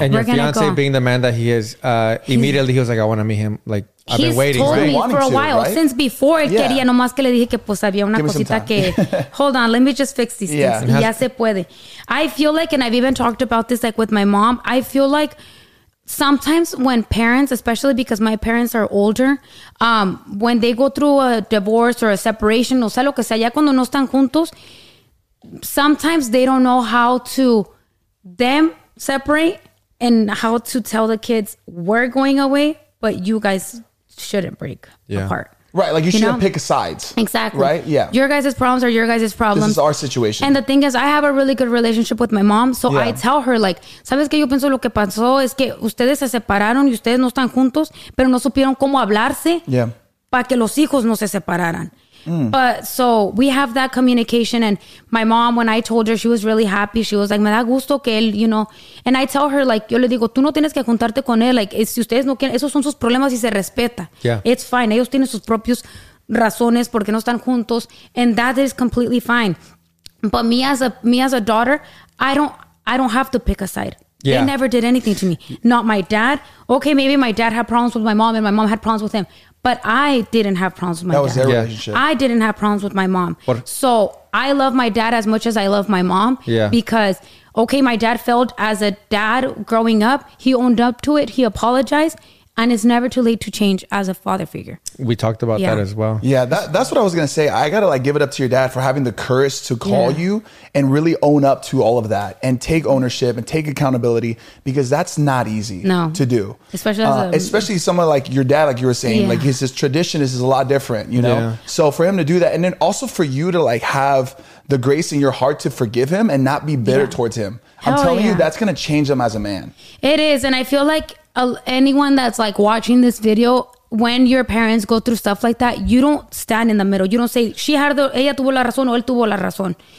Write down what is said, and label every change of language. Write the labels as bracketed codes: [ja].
[en] And your fiance being the man that he is, immediately he was like, I wanna meet him. Like, I've been waiting. He's told me for a while, right? Since before. Yeah. [es] Quería nomás que le dije que pues había una cosita que, [en] hold on, let me just fix these things. [es] Y ya se puede. [en] I feel like, and I've even talked about this like with my mom, I feel like sometimes when parents, especially because my parents are older, when they go through a divorce or a separation, [es] o sea, lo que sea, ya cuando no están juntos, [en] sometimes they don't know how to them separate and how to tell the kids, we're going away, but you guys shouldn't break apart. Right, like you shouldn't pick sides. Exactly. Right, yeah. Your guys' problems are your guys' problems. This is our situation. And the thing is, I have a really good relationship with my mom, so I tell her, like, [es] ¿sabes qué? Yo pienso lo que pasó es que ustedes se separaron y ustedes no están juntos, pero no supieron cómo hablarse para que los hijos no se separaran. [en] But so we have that communication, and my mom, when I told her, she was really happy. She was like, [es] me da gusto que él, [en] you know. And I tell her, like, [es] yo le digo, tú no tienes que juntarte con él. Like, si ustedes no quieren, esos son sus problemas y se respeta. [en] Yeah. It's fine. [es] Ellos tienen sus propios razones porque no están juntos. [en] And that is completely fine. But me as a daughter, I don't have to pick a side. Yeah. They never did anything to me. Not my dad. Okay, maybe my dad had problems with my mom and my mom had problems with him. But I didn't have problems with my dad. That was their relationship. I didn't have problems with my mom. So I love my dad as much as I love my mom. Yeah. Because, okay, my dad failed as a dad growing up. He owned up to it. He apologized. And it's never too late to change as a father figure. We talked about that as well. Yeah, that's what I was going to say. I got to like give it up to your dad for having the courage to call you and really own up to all of that and take ownership and take accountability, because that's not easy to do. Especially especially someone like your dad, like you were saying, like his tradition is a lot different, you know? Yeah. So for him to do that, and then also for you to like have the grace in your heart to forgive him and not be bitter towards him. Hell, I'm telling you, that's going to change him as a man. It is. And I feel like anyone that's like watching this video, when your parents go through stuff like that, you don't stand in the middle. You don't say, she had the, [es] ella tuvo la razón o él tuvo la razón.